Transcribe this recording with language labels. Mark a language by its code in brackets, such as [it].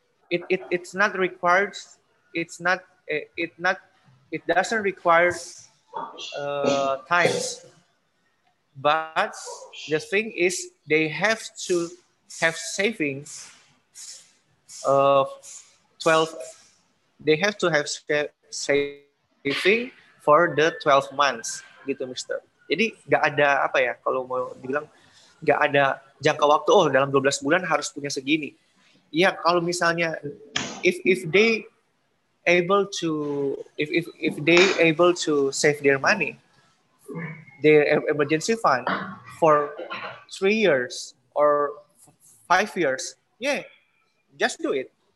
[en] It's not required. It doesn't require times, but the thing is they have to have savings of 12. They have to have saving for the 12 months, gitu mister. [id] Jadi nggak ada apa ya, kalau mau dibilang nggak ada jangka waktu, oh dalam 12 bulan harus punya segini. Ya kalau misalnya [en] if they able to save their money, their emergency fund for 3 years or 5 years, yeah, just do it.